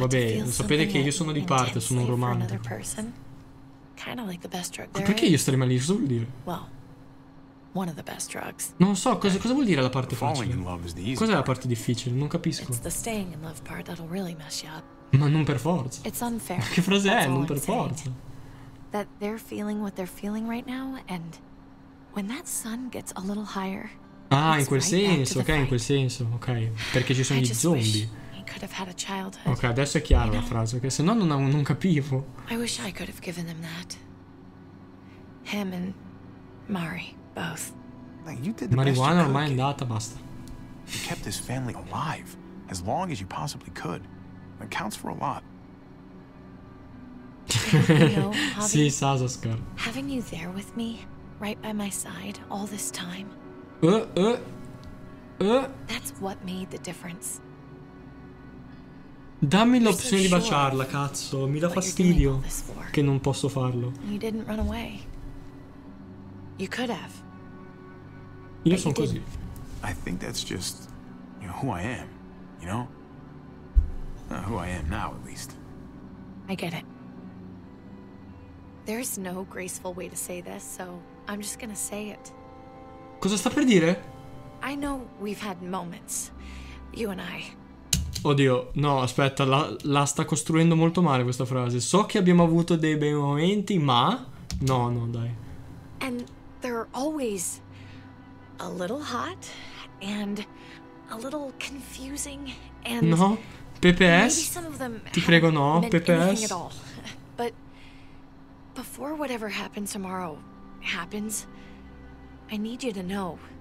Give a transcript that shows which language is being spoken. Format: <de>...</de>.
<it>Vabbè, sapete che io sono di parte, sono un romantico.</it> <en>Kind of like the best drug.</en> <it>Perché io starei male? Cosa vuol dire?</it> <en>Well, one of the best drugs.</en> <it>Non so, cosa vuol dire la parte facile? Cos'è la parte difficile? Non capisco.</it> <en>It's the staying in love part that'll really mess you up.</en> <it>Ma non per forza.</it> <en>It's unfair.</en> <it>Che frase è? Non per forza.</it> <en>That they're feeling what they're feeling right now, and when that sun gets a little higher.</en> <it>Ah, in quel senso, ok, in quel senso, ok. Perché ci sono gli zombie.</it> <en>He could have had a childhood.</en> <it>Ok, adesso è chiaro,</it> <en>you know,</en> <it>la frase, che sennò non capivo.</it> <en>I wish I could have given them that. Him and Mari, both.</en> <it>Marijuana ormai è andata, basta.</it> <en>You kept his family alive as long as you possibly could. It counts for a lot.</en> <it>Sì, Sasuke.</it> <en>Having you there with me, right by my side, all this time. That's what made the difference.</en> <it>Dammi l'opzione di baciarla, cazzo. Mi dà fastidio che non posso farlo.</it> <en>You didn't run away. You could have.</en> <it>Io sono così.</it> <en>I think that's just, you know, who I am, you know? Who I am now, at least. I get it. There's no graceful way to say this, so I'm just gonna say it.</en> <it>Cosa sta per dire?</it> <en>I know we've had moments, you and I.</en> <it>Oddio, no, aspetta, la sta costruendo molto male questa frase. So che abbiamo avuto dei bei momenti, ma... No, no, dai.</it> <en>And they're always a little hot and a little confusing and...</en> <it>No, PPS? Ti prego, no, PPS?</it> <en>But before whatever happens tomorrow happens, I need you to know...</en>